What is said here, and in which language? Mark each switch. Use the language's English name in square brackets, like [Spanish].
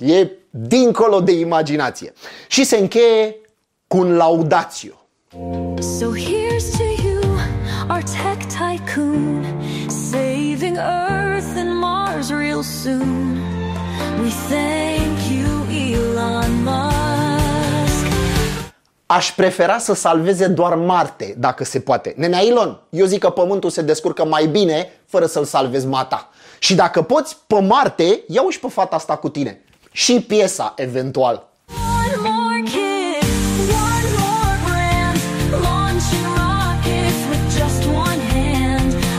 [Romanian] E dincolo de imaginație. Și se încheie cu un laudatio. [English] So here's to you, our tech tycoon. Saving Earth and Mars real soon. We thank you, Elon Musk. [Romanian] Aș prefera să salveze doar Marte, dacă se poate. Nenea Elon, eu zic că Pământul se descurcă mai bine fără să-l salvezi mata. Și dacă poți, pe Marte, ia-o-și pe fata asta cu tine. Și piesa, eventual. [English] One more kid, one more brand. Launching rockets with just one hand.